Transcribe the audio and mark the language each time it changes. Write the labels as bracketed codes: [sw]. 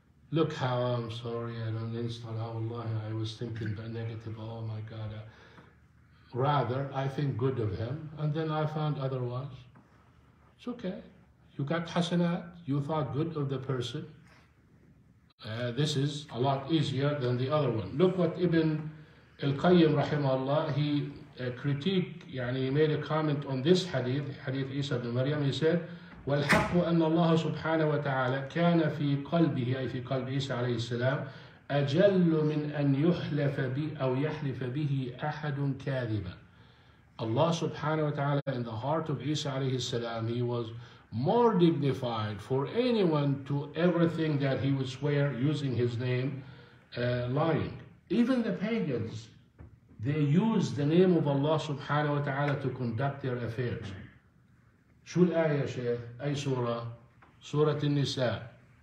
[en] Look how I'm sorry, I don't install, oh Allah, I was thinking but negative, oh my God. Rather, I think good of him, and then I found otherwise. It's okay. You got hasanat, you thought good of the person. This is a lot easier than the other one. Look what Ibn al-Qayyim, rahimahullah, he critiqued, يعني he made a comment on this hadith, hadith Isa ibn Maryam, he said, [ar] والحق أن الله سبحانه وتعالى كان في قلبه أي في قلب عيسى عليه السلام أجل من أن يحلف به أو يحلف به أحد كاذبا. [en] الله سبحانه وتعالى in the heart of عيسى عليه السلام he was more dignified for anyone to ever think that he would swear using his name lying. Even the pagans, they used the name of Allah سبحانه وتعالى to conduct their affairs. [ar] شو الآية يا شيخ؟ أي سورة؟ سورة النساء.